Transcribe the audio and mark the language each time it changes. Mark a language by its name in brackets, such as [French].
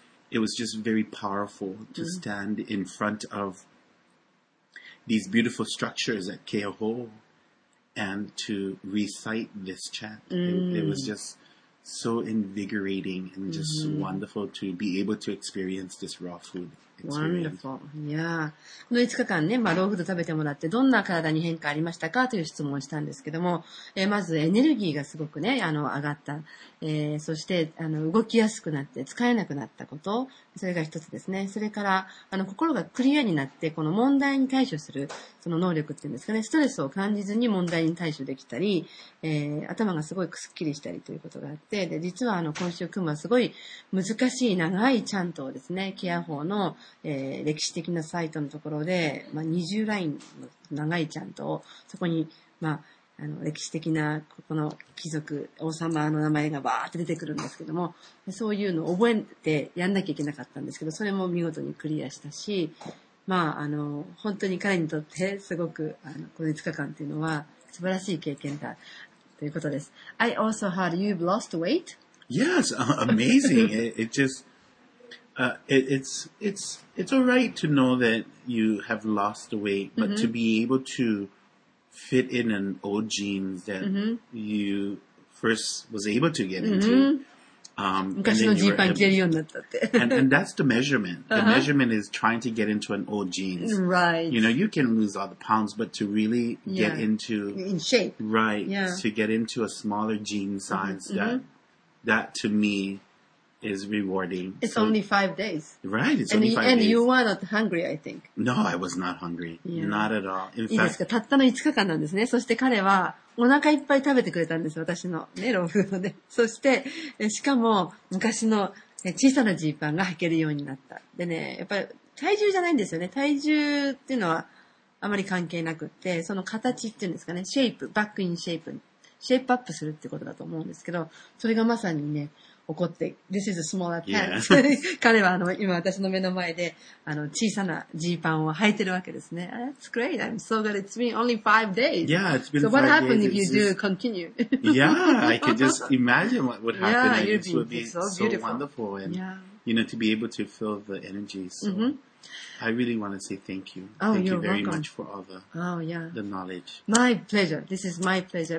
[English] It was just very powerful to stand in front of these beautiful structures at Keaho. And to recite this chant, it was just so invigorating and just wonderful to be able to experience this raw food experience. Wonderful. [Japanese] Yeah. この5日間ね、まあ、ローフード食べてもらって、どんな体に変化ありましたかという質問をしたんですけども、まずエネルギーがすごくね、上がった。そして、動きやすくなって、使えなくなったこと。それが一つですね。それから、心がクリアになって、この問題に対処する、その能力っていうんですかね、ストレスを感じずに問題に対処できたり、頭がすごいくすっきりしたりということがあって、で、実は今週クムはすごい難しい長いチャントをですね、ケア法の、歴史的なサイトのところで、まあ、20ラインの長いチャントを、そこに、まあ、歴史的な、ここの貴族、王様の名前がバーって出てくるんですけども、そういうのを覚えてやんなきゃいけなかったんですけど、それも見事にクリアしたし、まあ、本当に彼にとって、すごく、この5日間っていうのは、素晴らしい経験だ、ということです。 [English] I also heard you've lost weight? Yes, amazing. It just, it's alright to know that you have lost the weight, but to be able to,fit in an old jeans that you first was able to get into. [Japanese] 昔のジーパン着れるようになったって。 [English] And that's the measurement. The measurement is trying to get into an old jeans. Right. You know, you can lose all the pounds, but to really get into... In shape. Right. Yeah. To get into a smaller jean size, that to me is rewarding. It's so, only 5 days. Right, it's and only 5 days. And you were not hungry, I think. No, I was not hungry.、Yeah. Not at all. In fact, [Japanese] いいですか、たったの5日間なんですね。そして彼はお腹いっぱい食べてくれたんです、私の、ね、老夫ので。そして、しかも昔の小さなジーパンが履けるようになった。でね、やっぱり体重じゃないんですよね。体重っていうのはあまり関係なくって、その形っていうんですかね、シェイプ、バックインシェイプ、シェイプアップするってことだと思うんですけど、それがまさにね、起こって、 [English] This is a small attack. [Japanese] 彼はあの今私の目の前であの小さなジーパンを履いてるわけですね。 [English] That's great. I'm so glad. It's been only 5 days. Yeah, it's been so five days. So what happened if you do continue? Yeah, I can just imagine what would happen. Yeah, it would be so, beautiful. So wonderful. And, yeah. You know, to be able to feel the energy. So、mm-hmm. I really want to say thank you. Oh, thank you're you very、 welcome. Much for all the,、 oh, yeah. the knowledge. My pleasure. This is my pleasure.